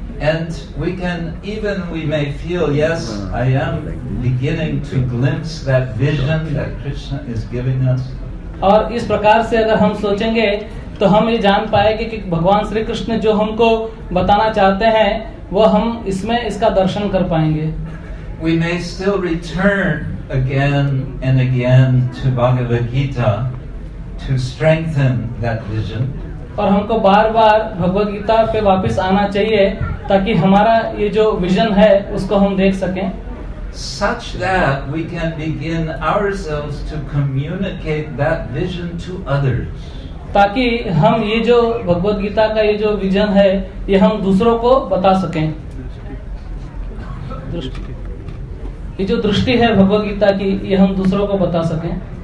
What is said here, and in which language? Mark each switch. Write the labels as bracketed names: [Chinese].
[English] And we can, even we may feel, yes, I am beginning to glimpse that vision that Krishna is giving us. [Hindi] और इस प्रकार से अगर हम सोचेंगे तो हम ये जान पाएंगे कि भगवान श्री कृष्ण जो हमको बताना चाहते हैं वो हम इसमें इसका दर्शन कर पाएंगे। [English] We may still return again and again to Bhagavad Gita to strengthen that vision. [Hindi] और हमको बार बार भगवद गीता पे वापस आना चाहिए ताकि हमारा ये जो विजन है उसको हम देख सकें। [English] Such that we can begin ourselves to communicate that vision to others. [Hindi] ताकि हम ये जो भगवद गीता का ये जो विजन है ये हम दूसरों को बता सकें। दृष्टि, ये जो दृष्टि है भगवद गीता की ये हम दूसरों को बता सकें।